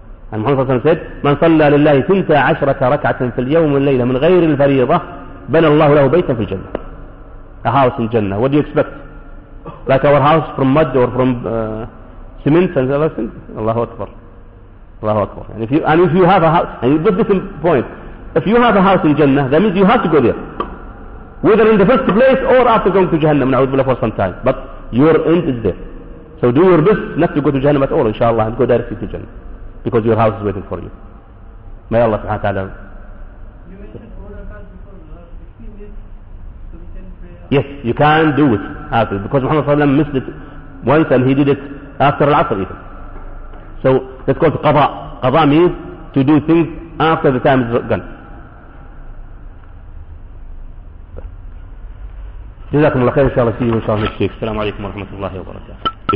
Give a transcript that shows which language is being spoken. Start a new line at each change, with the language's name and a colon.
English: And Muhammad said,
Arabic: من صلى لله 12 ركعة في اليوم والليلة من غير الفريضة بنى الله له بيتا في الجنة.
English: A house in Jannah. What do you expect? Like our house from mud or from cement and other things? Allahu Akbar. Allahu Akbar. And if you, and if you have a house, and you put this in point, if you have a house in Jannah, that means you have to go there. Whether in the first place or after going to Jahannam, na'udhu billah, for some time. But your end is there. So do your best not to go to Jahannam at all, inshallah, and go directly to Jannah. Because your house is waiting for you. May Allah subhanahu wa ta'ala. You mentioned yes, you can do it after. Because Muhammad sallallahu alayhi wa sallam missed it once and he did it after al-Asr even. So let's call it qada. Qada means to do things after the time is gone.
Arabic: جزاكم الله خير إن شاء الله سيدي وإن شاء الله نشيك السلام عليكم ورحمة الله وبركاته.